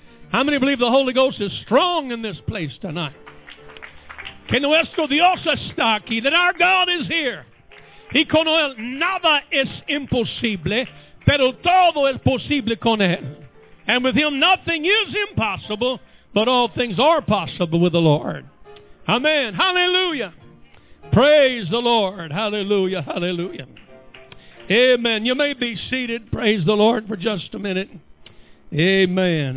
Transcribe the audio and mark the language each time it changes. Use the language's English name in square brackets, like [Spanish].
[English] How many believe the Holy Ghost is strong in this place tonight? [Spanish] Que nuestro Dios está aquí. [English] That our God is here. [Spanish] Y con él nada es imposible, pero todo es posible con él. [English] And with him nothing is impossible, but all things are possible with the Lord. Amen. Hallelujah. Praise the Lord. Hallelujah. Hallelujah. Amen. You may be seated. Praise the Lord for just a minute. Amen.